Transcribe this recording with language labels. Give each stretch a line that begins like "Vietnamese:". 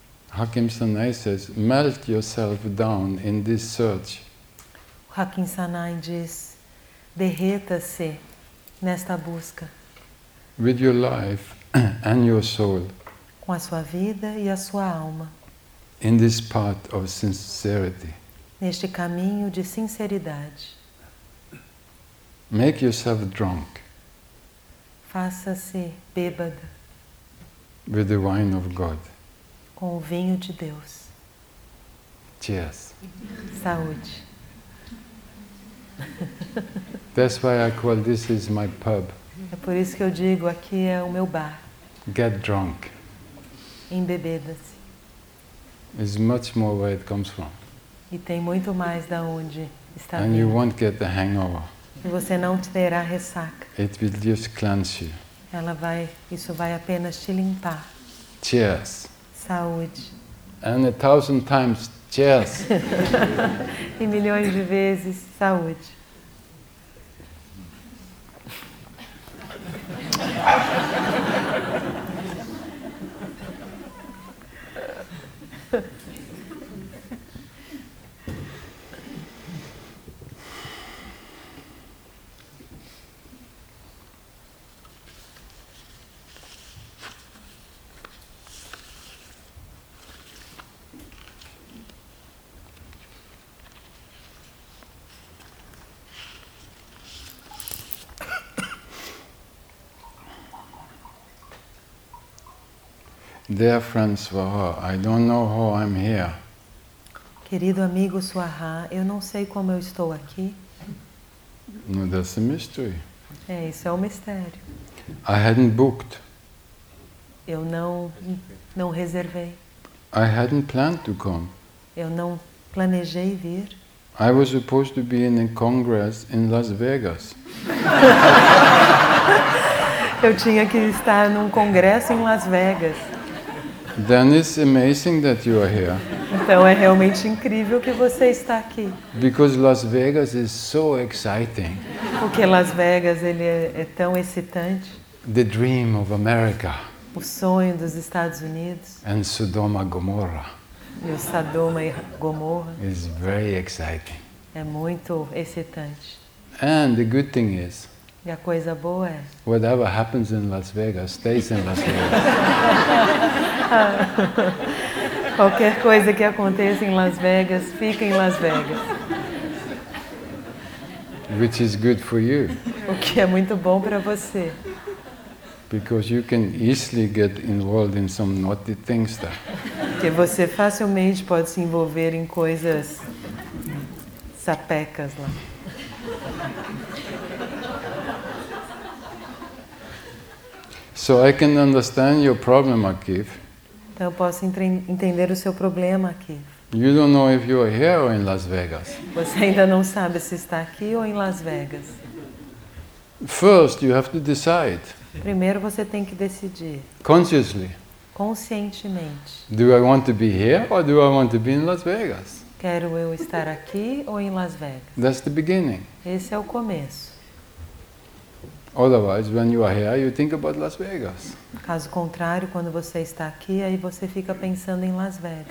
English: Hakim Sanai says, melt yourself down in this search.
Portuguese: Hakim Sanai diz, derreta-se nesta busca.
English: With your life and your soul.
Portuguese: Com a sua vida e a sua alma.
English: In this path of sincerity.
Portuguese: Neste caminho de sinceridade.
English: Make yourself drunk.
Portuguese: Faça-se bêbada.
English: With the wine of God.
Portuguese: Com o vinho de Deus.
English: Cheers.
Portuguese: Saúde.
English: That's why I call this is my pub.
Portuguese: É por isso que eu digo, aqui é o meu bar.
English: Get drunk.
Portuguese: Embebeda-se.
English: It's much more where it comes from.
Portuguese: E tem muito mais da onde está vindo.
English: And you won't get the hangover.
Portuguese: E você não terá ressaca.
English: It will just cleanse you.
Portuguese: Ela vai, isso vai apenas te limpar.
English: Cheers.
Portuguese: Saúde.
English: And 1,000 times, cheers.
Portuguese: E milhões de vezes, saúde.
English: Dear friend Swaha, I don't know how I'm here.
Portuguese: Querido amigo Swaha, eu não sei como eu estou aqui.
English: No, that's a mystery.
Portuguese: É, isso é um mistério.
English: I hadn't booked.
Portuguese: Eu não reservei.
English: I hadn't planned to come.
Portuguese: Eu não planejei vir.
English: I was supposed to be in a congress in Las Vegas.
Portuguese: Eu tinha que estar num congresso em Las Vegas.
English: Then it's amazing that you are here.
Portuguese: Então é realmente incrível que você está aqui.
English: Because Las Vegas is so exciting.
Portuguese: Porque Las Vegas ele é tão excitante.
English: The dream of America.
Portuguese: O sonho dos Estados Unidos.
English: And Sodoma Gomorra.
Portuguese: E o Sodoma e Gomorra.
English: It's very exciting.
Portuguese: É muito excitante.
English: And the good thing is.
Portuguese: E a coisa boa é.
English: Whatever happens in Las Vegas stays in Las Vegas.
Portuguese: Qualquer coisa que aconteça em Las Vegas, fica em Las Vegas.
English: Which is good for you.
Portuguese: O que é muito bom para você.
English: Because you can easily get involved in some naughty things there.
Portuguese: Porque você facilmente pode se envolver em coisas sapecas lá.
English: So I can understand your problem, Akif.
Portuguese: Então eu posso entender o seu problema aqui.
English: You don't know if you are here or in Las Vegas.
Portuguese: Você ainda não sabe se está aqui ou em Las Vegas.
English: First, you have to decide.
Portuguese: Primeiro você tem que decidir.
English: Consciously.
Portuguese: Conscientemente.
English: Do I want to be here or do I want to be in Las Vegas?
Portuguese: Quero eu estar aqui ou em Las Vegas?
English: That's the beginning.
Portuguese: Esse é o começo.
English: Otherwise, when you are here, you think about Las Vegas.
Portuguese: Caso contrário, quando você está aqui, aí você fica pensando em Las Vegas.